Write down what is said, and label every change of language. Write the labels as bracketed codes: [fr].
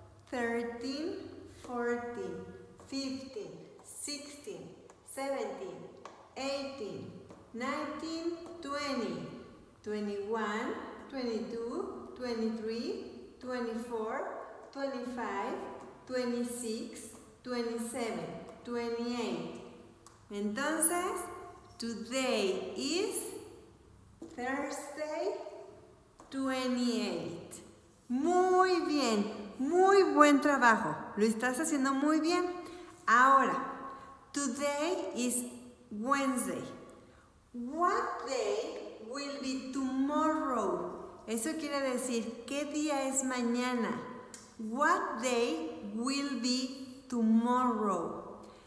[en] 13, 14, 15, 16, 17, 18, 19, 20, 21, 22, 23, 24, 25, 26, 27, 28. Entonces, today is Thursday 28. [es] Muy bien, muy buen trabajo. Lo estás haciendo muy bien. [en] Ahora, today is Wednesday. What day will be tomorrow? [es] Eso quiere decir, ¿qué día es mañana? [en] What day will be tomorrow?